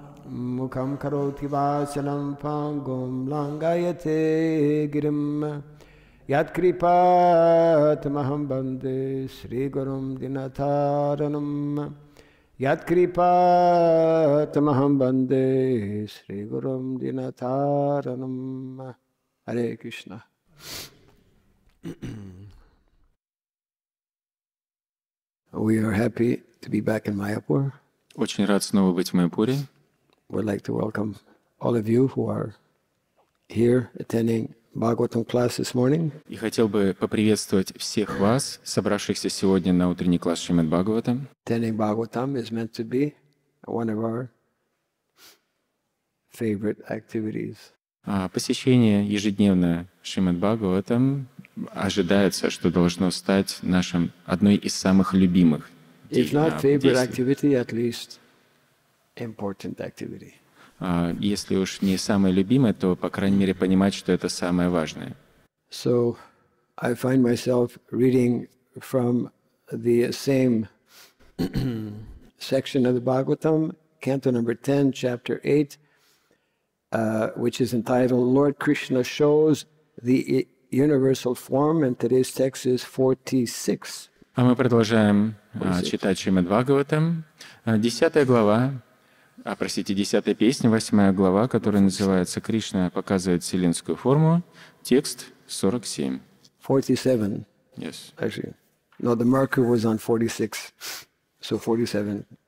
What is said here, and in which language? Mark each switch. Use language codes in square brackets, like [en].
[sa] Mukham Karoti Vachanam Pangum Langayate Girim Yat Kripa Tamaham Bande Sri Gurum Dinataranam Yat Kripa Tamaham Bande Sri Gurum Dinataranam. Hare Krishna. [en] We are happy to be back in Mayapur. [ru] Очень рад снова быть в Майапуре. [en] We'd like to welcome all of you who are here attending Bhagavatam class this morning. [ru] И хотел бы поприветствовать всех вас, собравшихся сегодня на утренний класс Шримад Бхагаватам. [en] Attending Bhagavatam is meant to be one of our favorite activities. [ru] Посещение ежедневно Шримад Бхагаватам ожидается, что должно стать нашим одной из самых любимых. [en] If not favorite activity, at least important activity. [ru] Если уж не самое любимое, то по крайней мере понимать, что это самое важное. [en] So I find myself reading from the same section of the Bhagavatam, canto number 10, chapter 8, which is entitled Lord Krishna Shows the Universal Form, and today's text is 46. [ru] А мы продолжаем читать Шримад Бхагаватам, 10 глава. А, простите, 10 песня, 8 глава, которая называется «Кришна показывает вселенскую форму», текст 47. [en] 47. Yes. Actually, no, the marker was on 46, so 47.